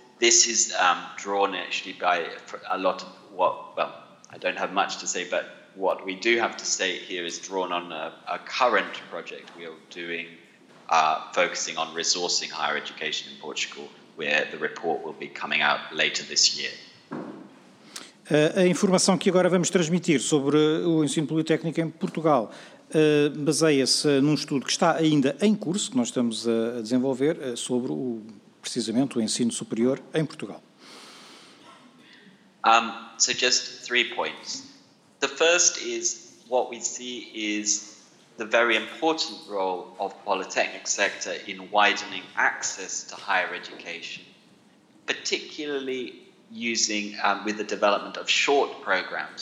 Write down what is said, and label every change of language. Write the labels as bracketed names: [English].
[English] This is drawn actually by a lot of I don't have much to say, but what we do have to say here is drawn on a current project we are doing, focusing on resourcing higher education in Portugal, where the report will be coming out later this year. [Portuguese] A informação que agora vamos transmitir sobre o ensino politécnico em Portugal baseia-se num estudo que está ainda em curso, que nós estamos a desenvolver, sobre o precisamente o ensino superior em Portugal. [English] So just three points. The first is what we see is the very important role of polytechnic sector in widening access to higher education, particularly using with the development of short programs.